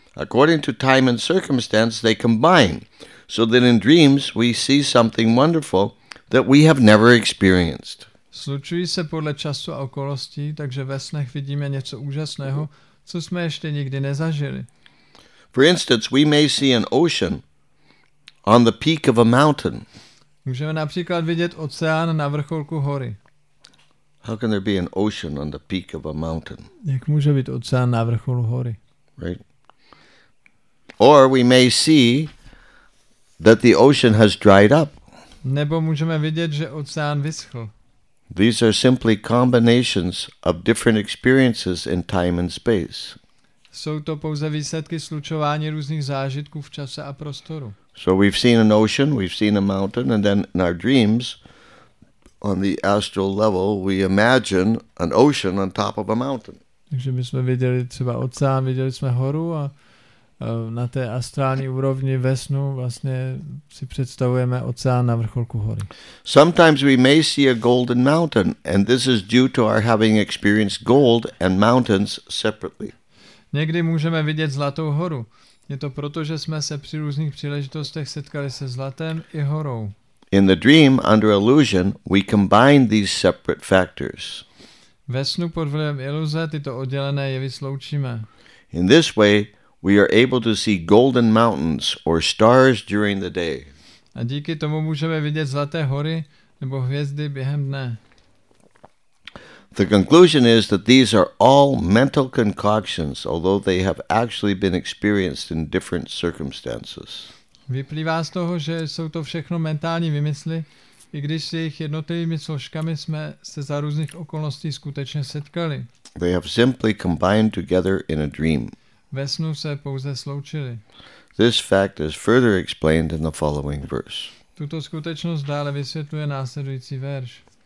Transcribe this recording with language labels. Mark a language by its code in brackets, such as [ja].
[en] According to time and circumstance, they combine, so that in dreams we see something wonderful that we have never experienced. [cs] Slučují se podle času a okolností, takže ve snech vidíme něco úžasného, co jsme ještě nikdy nezažili. [en] For instance, we may see an ocean on the peak of a mountain. [cs] Můžeme například vidět oceán na vrcholku hory. [en] How can there be an ocean on the peak of a mountain? [cs] Jak může být oceán na vrcholu hory? [en] Right. Or we may see that the ocean has dried up. [cs] Nebo můžeme vidět, že oceán vyschl. [en] These are simply combinations of different experiences in time and space. [cs] Jsou to pouze výsledky slučování různých zážitků v čase a prostoru. [en] So we've seen an ocean, we've seen a mountain, and then in our dreams, on the astral level, we imagine an ocean on top of a mountain. [cs] Takže my jsme viděli třeba oceán, viděli jsme horu a na té astrální úrovni ve snu vlastně si představujeme oceán na vrcholku hory. [en] Sometimes we may see a golden mountain and this is due to our having experienced gold and mountains separately. [cs] Někdy můžeme vidět zlatou horu. Je to proto, že jsme se při různých příležitostech setkali se zlatem i horou. [en] In the dream, under illusion, we combine these separate factors. [cs] Ve snu pod vlivem iluze tyto oddělené jevy sloučíme. [en] In this way, we are able to see golden mountains or stars during the day. [cs] A díky tomu můžeme vidět zlaté hory nebo hvězdy během dne. [en] The conclusion is that these are all mental concoctions, although they have actually been experienced in different circumstances. [cs] Vyplývá z toho, že jsou to všechno mentální vymysly, i když s jejich jednotlivými složkami jsme se za různých okolností skutečně setkali. [en] They have simply combined together in a dream. [cs] Ve snu se pouze sloučili. [en] This fact is further explained in the following verse. [cs] Tuto skutečnost dále vysvětluje následující verš.